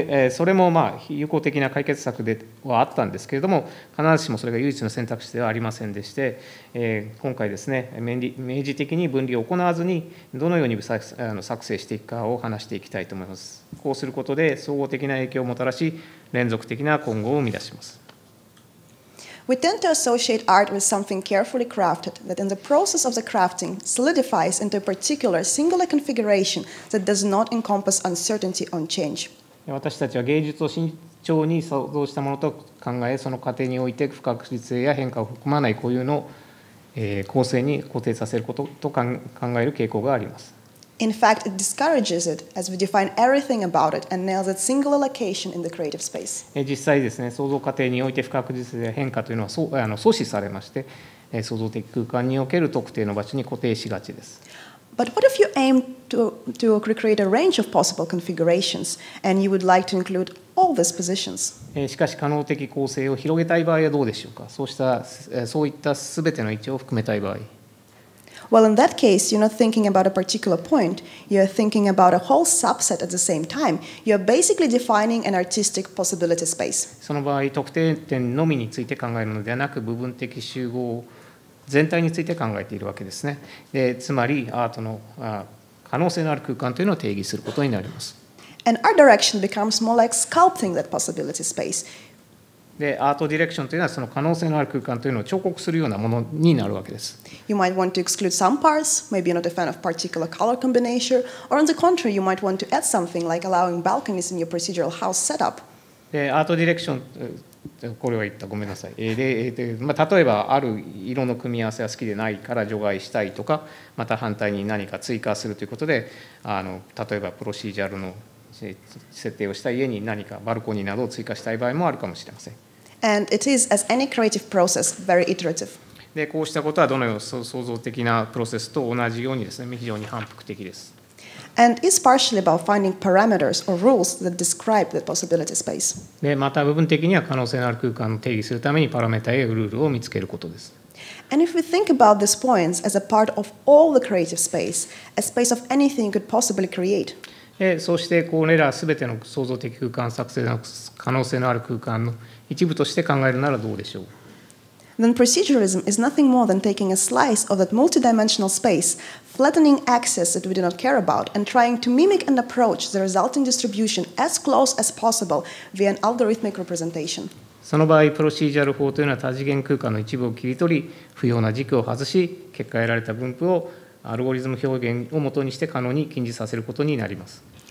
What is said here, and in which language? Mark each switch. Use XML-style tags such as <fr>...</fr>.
<ja>それも、有効的な解決策ではあったんですけれども、必ずしもそれが唯一の選択肢ではありませんでして、今回ですね、明示的に分離を行わずに、どのように作成していくかを話していきたいと思います。こうすることで、総合的な影響をもたらし、連続的な今後を生み出します。</ja> <en>We tend to associate art with something carefully crafted that in the process of the crafting solidifies into a particular singular configuration that does not encompass uncertainty on change.</en> <ja>私たちは芸術を慎重に創造したものと考え、その過程において不確実性や変化を含まない固有の構成に固定させることと考える傾向があります。</ja> <en>In fact, it discourages it as we define everything about it and nails its singular location in the creative space.</en> <ja>実際ですね、創造過程において不確実性や変化というのは阻止されまして、創造的空間における特定の場所に固定しがちです。</ja> <en>But what if you aim to recreate a range of possible configurations and you would like to include all these positions?</en> <ja>しかし可能的構成を広げたい場合はどうでしょうか。そういった全ての位置を含めたい場合。</ja> <en>Well, in that case, you're not thinking about a particular point. You're thinking about a whole subset at the same time. You're basically defining an artistic possibility space.</en> <ja>その場合、特定点のみについて考えるのではなく、部分的集合全体について考えているわけですね。で、つまりアートの可能性のある空間というのを定義することになります。</ja> <en>And art direction becomes more like sculpting that possibility space.</en> <ja>で、アートディレクションというのはその可能性のある空間というのを彫刻するようなものになるわけです。</ja> <en>You might want to exclude some parts, maybe not a fan of particular color combination, or on the contrary, you might want to add something like allowing balconies in your procedural house setup.</en> <ja>で、アートディレクション、これは言った、ごめんなさい。で、まあ、例えば、ある色の組み合わせは好きでないから除外したいとか、また反対に何か追加するということで、例えばプロシージャルの設定をした家に何かバルコニーなどを追加したい場合もあるかもしれません。</ja> <en>And it is, as any creative process, very iterative.</en> <ja>で、こうしたことはどのような創造的なプロセスと同じようにですね、非常に反復的です。</ja> <en>And is partially about finding parameters or rules that describe the possibility space.</en> <ja>で、また部分的には可能性のある空間を定義するためにパラメータやルールを見つけることです。</ja> <en>And if we think about these points as a part of all the creative space, a space of anything you could possibly create.</en> <ja>で、そしてこれらすべての創造的空間作成の可能性のある空間の一部として考えるならどうでしょう。</ja> <en>Then proceduralism is nothing more than taking a slice of that multidimensional space, flattening axes that we do not care about, and trying to mimic and approach the resulting distribution as close as possible via an algorithmic representation.</en> <ja>その場合、プロシージャル法というのは多次元空間の一部を切り取り、不要な軸を外し、結果得られた分布をアルゴリズム表現をもとにして可能に近似させることになります。</ja>